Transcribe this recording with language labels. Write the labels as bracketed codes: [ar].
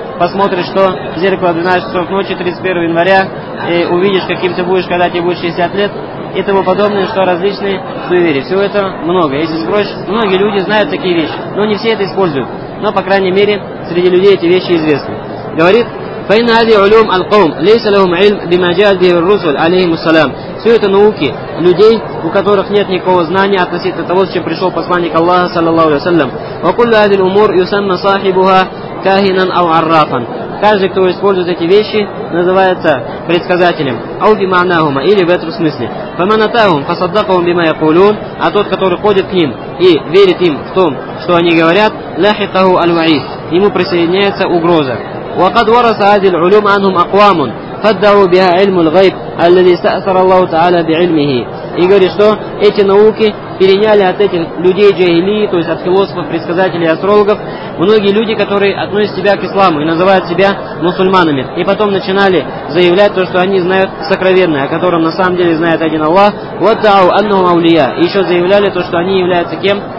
[ru] Посмотришь, что в зеркало 12 часов ночи, 31 января, и увидишь, каким ты будешь, когда тебе будет 60 лет. И тому подобное, что различные суеверия. Всего это много. Если спросишь, многие люди знают такие вещи, но не все это используют. Но, по крайней мере, среди людей эти вещи известны. [ar] Говорит, فإن هذه علوم القوم ليس لهم علم بما جاء به الرسل عليهم السلام. [ru] Все это науки людей, у которых нет никакого знания относительно того, с чем пришел посланник Аллаха, саллаллаху алейхи ва саллям. [ar] وكل هذه الأمور يسمى صاحبها كاهنا أو عرافا. [ru] Каждый, кто использует эти вещи, называется предсказателем. [ar] أو بمعناهما, [ru] или в этом смысле. [ar] فمن أتاهم فصدقهم بما يقولون. [ru] А тот, который ходит к ним и верит им в том, что они говорят, [ar] لاحقه الوعيد. [ru] Ему присоединяется угроза. [ar] وقد ورث هذه العلوم عنهم أقوام فدعوا بها علم الغيب الذي استأثر الله تعالى بعلمه. [ru] И говорит, что эти науки переняли от этих людей джахилии, то есть от философов, предсказателей, астрологов, многие люди, которые относят себя к исламу и называют себя мусульманами. И потом начинали заявлять то, что они знают сокровенное, о котором на самом деле знает один Аллах. Вот [ar] дау анну маулия. [ru] И еще заявляли то, что они являются кем?